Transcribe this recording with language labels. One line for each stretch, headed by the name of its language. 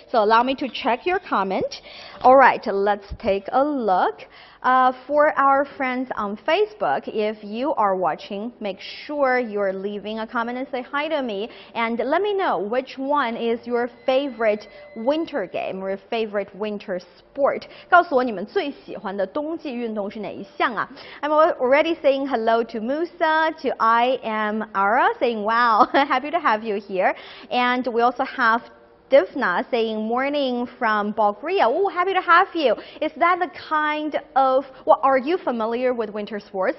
English: So allow me to check your comment. All right, let's take a look. For our friends on Facebook, if you are watching, make sure you're leaving a comment and say hi to me. And let me know which one is your favorite winter game or favorite winter sport.
Chinese: 告诉我你们最喜欢的冬季运动是哪一项啊。
English: I'm already saying hello to Musa, to I am Ara, saying wow, happy to have you here. And we also have Divna saying morning from Bulgaria. Oh, happy to have you. Is that the kind of, well, are you familiar with winter sports?